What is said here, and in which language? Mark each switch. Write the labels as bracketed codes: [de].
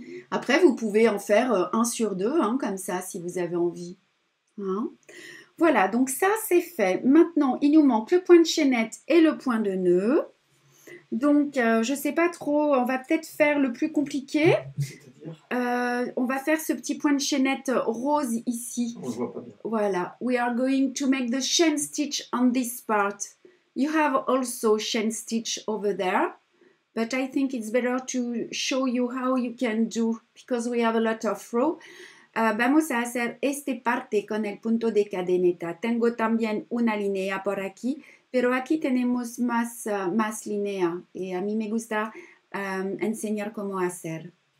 [fr] Après, vous pouvez en faire un sur deux, hein, comme ça, si vous avez envie. Hein? Voilà, donc ça, c'est fait. Maintenant, il nous manque le point de chaînette et le point de nœud. Donc, je ne sais pas trop, on va peut-être faire le plus compliqué. On va faire ce petit point de chaînette rose ici. On ne le voit pas bien. Voilà. [en] We are going to make the chain stitch on this part. You have also chain stitch over there. But I think it's better to show you how you can do, because we have a lot of row. [es] Vamos a hacer esta parte con el punto de cadeneta. Tengo también una línea por aquí, pero aquí tenemos más línea. Y a mí me gusta enseñar cómo hacer.